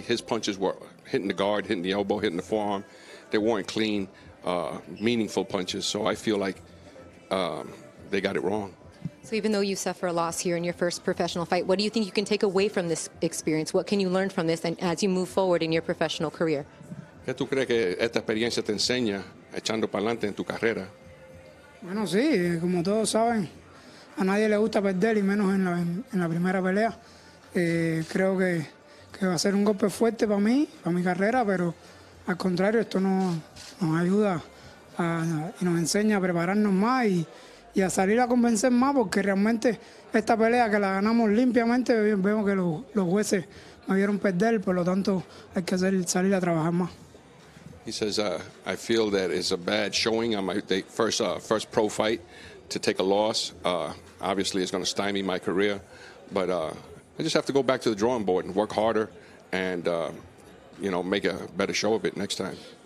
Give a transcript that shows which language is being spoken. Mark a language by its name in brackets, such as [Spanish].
[English] His punches were hitting the guard, hitting the elbow, hitting the forearm. They weren't clean, meaningful punches. So I feel like they got it wrong. So even though you suffer a loss here in your first professional fight, what do you think you can take away from this experience? What can you learn from this and as you move forward in your professional career? [Spanish] ¿Qué tú crees que esta experiencia te enseña echando para adelante en tu carrera? Bueno, sí, como todos saben, a nadie le gusta perder, y menos en la primera pelea. Creo que va a ser un golpe fuerte para mí, para mi carrera, pero al contrario, esto nos ayuda y nos enseña a prepararnos más y a salir a convencer más, porque realmente esta pelea que la ganamos limpiamente, vemos que los jueces me vieron perder, por lo tanto, hay que salir a trabajar más. [English] He says, I feel that it's a bad showing on my first pro fight to take a loss. Obviously, it's going to stymie my career, but I just have to go back to the drawing board and work harder and, you know, make a better show of it next time.